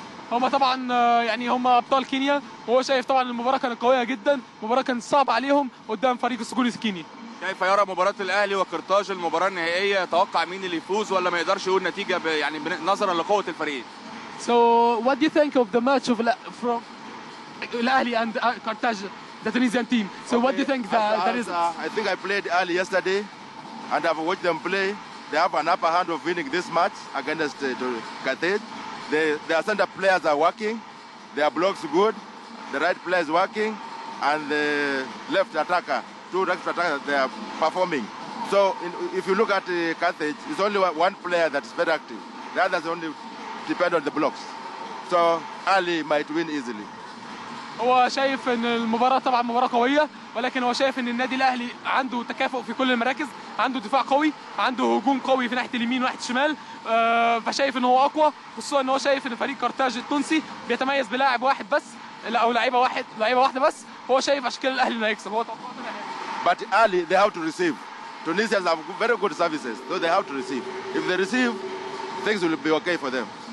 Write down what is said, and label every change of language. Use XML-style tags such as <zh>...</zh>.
<ar>هما طبعا يعني هما ابطال كينيا، وهو شايف طبعا المباراه كانت قويه جدا، مباراه كانت صعبه عليهم قدام فريق السجون الكيني. كيف يرى مباراه الاهلي وقرطاج المباراه النهائيه؟ توقع مين اللي يفوز ولا ما يقدرش يقول نتيجه يعني نظرا لقوه الفريقين؟</ar> <en>So what do you think of the match of from الاهلي and Carthage, the Tunisian team? So okay. What do you think the result? I think I played Ali yesterday and I've watched them play. They have an upper hand of winning this match against Carthage. Their center players are working, their blocks good, the right players working, and the left attacker, two right attackers, they are performing. So if you look at Carthage, it's only one player that is very active. The others only depend on the blocks. So Ali might win easily.</en> <ar>هو شايف ان المباراه طبعا مباراه قويه، ولكن هو شايف ان النادي الاهلي عنده تكافؤ في كل المراكز، عنده دفاع قوي، عنده هجوم قوي في ناحيه اليمين وناحيه الشمال، فشايف ان هو اقوى، خصوصا ان هو شايف ان فريق كارتاج التونسي بيتميز بلاعب واحد بس او لعيبه واحده بس. هو شايف اشكال الاهلي انه هيكسب، هو توقعاته انه هيكسب.</ar> <en>But Ali, they have to receive. Tunisians have very good services, so they have to receive. If they receive, things will be okay for them.</en>